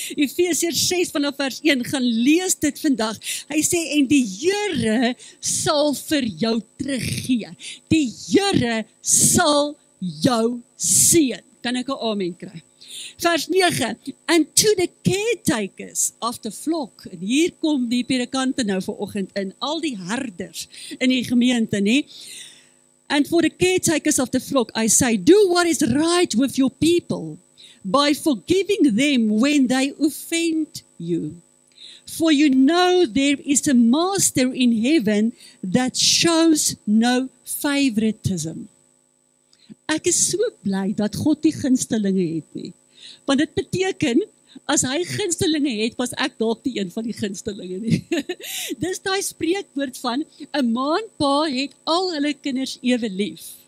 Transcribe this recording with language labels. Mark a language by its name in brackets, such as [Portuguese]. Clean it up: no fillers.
[Afrikaans] Efesiërs 6 vanaf vers 1, gaan lees dit vandag. Hy sê, en die Here sal vir jou teruggee. Die Here sal jou seën. Kan ek 'n amen kry? Vers 9, [English] and to the caretakers of the flock, [Afrikaans] en hier kom die predikante nou vanoggend in, al die herders in die gemeente, nie? [English] And for the caretakers of the flock, I say, do what is right with your people by forgiving them when they offend you. For you know there is a master in heaven that shows no favoritism. [Afrikaans] Ek is so bly dat God die gunstelinge het nie. Want dit beteken, as hy gunstelinge het, was ek dalk die een van die gunstelinge nie. Dis daai spreekwoord van, 'n ma en pa het al hulle kinders ewe lief.